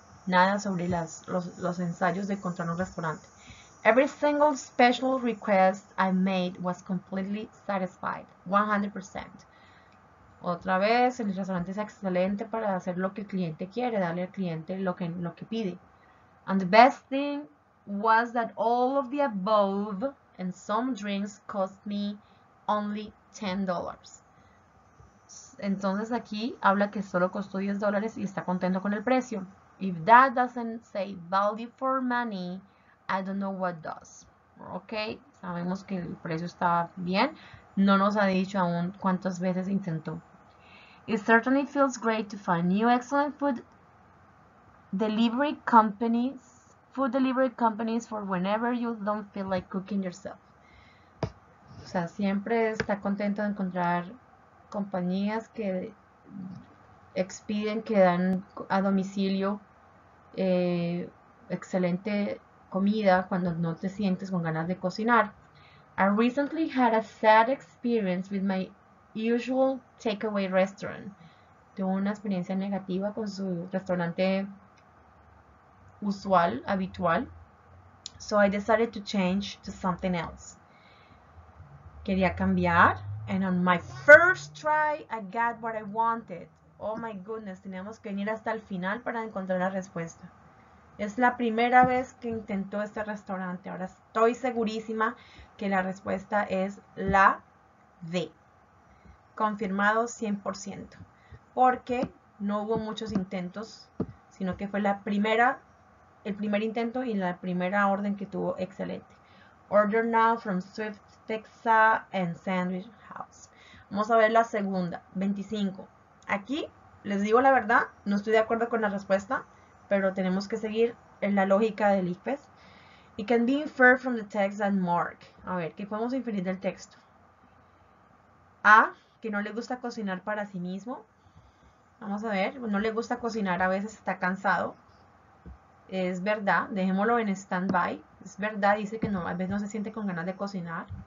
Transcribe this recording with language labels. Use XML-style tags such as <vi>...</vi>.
<es>Nada sobre los ensayos de encontrar un restaurante.</es> <en>Every single special request I made was completely satisfied. 100%.</en> <es>Otra vez, el restaurante es excelente para hacer lo que el cliente quiere, darle al cliente lo que pide.</es> <en>And the best thing was that all of the above and some drinks cost me only $10.</en> <es>Entonces aquí habla que solo costó $10 y está contento con el precio.</es> <en>If that doesn't say value for money, I don't know what does.</en> <es>Ok, sabemos que el precio está bien. No nos ha dicho aún cuántas veces intentó.</es> <en>It certainly feels great to find new excellent food delivery companies for whenever you don't feel like cooking yourself.</en> <es>O sea, siempre está contento de encontrar compañías que expiden, que dan a domicilio excelente comida cuando no te sientes con ganas de cocinar.</es> <en>I recently had a sad experience with my usual takeaway restaurant.</en> <es>Tuvo una experiencia negativa con su restaurante usual, habitual.</es> <en>So I decided to change to something else.</en> <es>Quería cambiar.</es> <en>And on my first try, I got what I wanted. Oh my goodness,</en> <es>teníamos que venir hasta el final para encontrar la respuesta. Es la primera vez que intentó este restaurante. Ahora estoy segurísima que la respuesta es la D. Confirmado 100%, porque no hubo muchos intentos, sino que fue el primer intento y la primera orden que tuvo, excelente.</es> <en>Order now from Swift Texas and Sandwich House.</en> <es>Vamos a ver la segunda, 25. Aquí les digo la verdad, no estoy de acuerdo con la respuesta, pero tenemos que seguir en la lógica del ICFES.</es> <en>It can be inferred from the text and mark.</en> <es>A ver, ¿qué podemos inferir del texto? A, que no le gusta cocinar para sí mismo. Vamos a ver, no le gusta cocinar, a veces está cansado. Es verdad, dejémoslo en stand-by. Es verdad, dice que no, a veces no se siente con ganas de cocinar.</es>